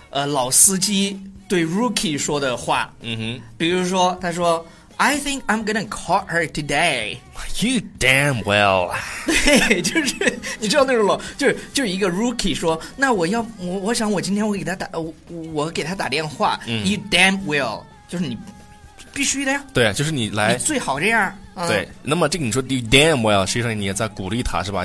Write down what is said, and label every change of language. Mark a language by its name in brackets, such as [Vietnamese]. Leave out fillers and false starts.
[Chinese] 老司机对 rookie 说的话。嗯哼，比如说他说 [English] I think I'm gonna call her today. You damn well. [Chinese] 对，就是你知道那种老，就一个 rookie 说，那我要我想我今天会给他打，我给他打电话。嗯、 [English] you damn well， [Chinese] 就是你必须的呀。对，就是你来你最好这样。对，那么这个你说 [English] you damn well， [Chinese] 实际上你也在鼓励他是吧？